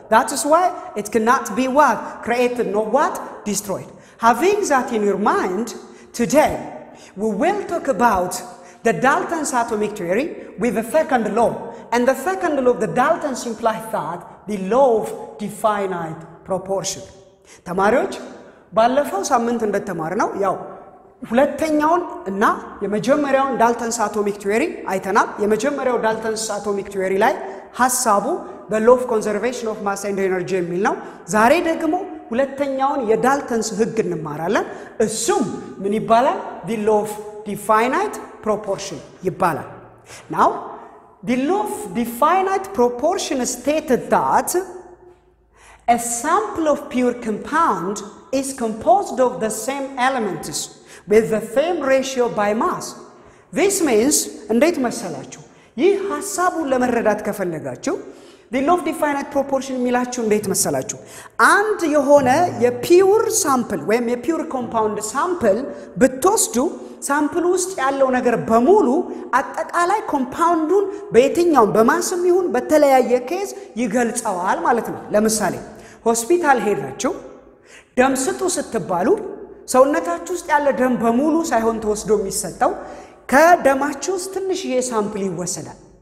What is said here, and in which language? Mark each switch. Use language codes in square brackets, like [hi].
[en] That is why it cannot be what? Created nor what? Destroyed. Having that in your mind, today we will talk about the Dalton's atomic theory with the second law. And the second law of the Dalton's implies that the law of definite proportion. [am] ተማሪዎች ባለፈው ሳምንት እንደተማርነው ያው ሁለተኛውን እና የመጀመሪያውን Dalton's atomic theory አይተናል። የመጀመሪያው Dalton's atomic theory ላይ ሐሳቡ [en] the law of conservation of mass and energy [am] የሚል ነው። ዛሬ ደግሞ ሁለተኛውን የዳልተንስ ህግ እንማራለን። እሱም ምን ይባላል? [en] The law of definite proportion [am] ይባላል። [en] Now, the law of definite proportion stated that a sample of pure compound is composed of the same elements with the same ratio by mass. This means, [am] እንዴት መሰላችሁ? ይህ ሐሳቡን ለመረዳት ከፈለጋችሁ the law of definite proportion ሚላችሁ እንዴት መሰላችሁ? አንድ የሆነ የፒውር ሳምፕል ወይም የፒውር ኮምፓውንድ ሳምፕል ብትወስዱ ሳምፕል ውስጥ ያለው ነገር በሙሉ አጠቃላይ ኮምፓውንዱን በየትኛውም በማስም ይሁን በተለያየ ኬዝ ይገልጻዋል ማለት ነው። ለምሳሌ ሆስፒታል ሄዳችሁ ደም ስጡ ስትባሉ ሰውነታችሁ ውስጥ ያለ ደም በሙሉ ሳይሆን ተወስዶ የሚሰጠው ከደማችሁ ውስጥ ትንሽ የሳምፕል ይወሰዳል።